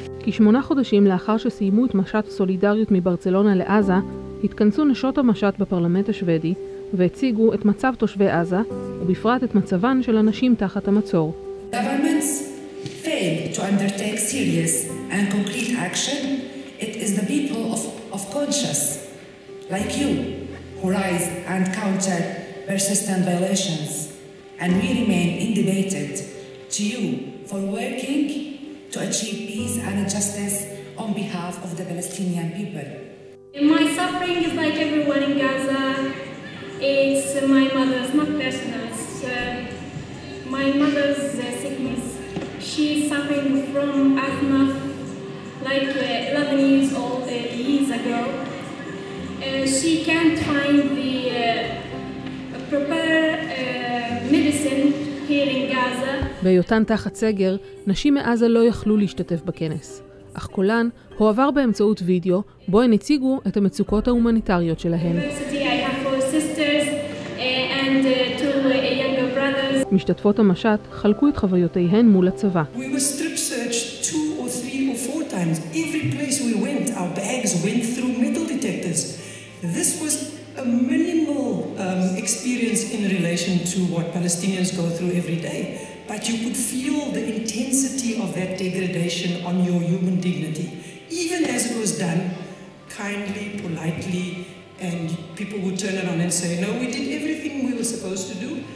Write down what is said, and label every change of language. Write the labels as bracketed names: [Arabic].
[Hebrew] שמונה חודשים לאחר שסיימו את משט הסולידריות מברצלונה לעזה, התכנסו נשות המשט בפרלמנט השוודי והציגו את מצב תושבי עזה, ובפרט את מצבן של אנשים תחת המצור. [English] Governments fail to undertake serious and concrete action. It is the people of conscience, like you, who rise and counter persistent violations. And we remain indebted to you for working to achieve peace and justice on behalf of the Palestinian people. My suffering is like everyone in Gaza. It's my mother's, not personal. My mother's sickness. She's suffering from asthma like 11 years old, years ago. She can't find the proper medicine here in Gaza. [Hebrew] בהיותן תחת סגר, נשים מעזה לא יכלו להשתתף בכנס. אך קולן הועבר באמצעות וידאו, בו הן הציגו את המצוקות ההומניטריות שלהן. משתתפות המשט חלקו את חוויותיהן מול הצבא. [English] We were strip searched 2 or 3 or 4 times. Every place we went, our bags went through metal detectors. This was a minimal experience in relation to what Palestinians go through every day. But you could feel the intensity of that degradation on your human dignity, even as it was done kindly, politely, and people would turn around and say, no, we did everything we were supposed to do.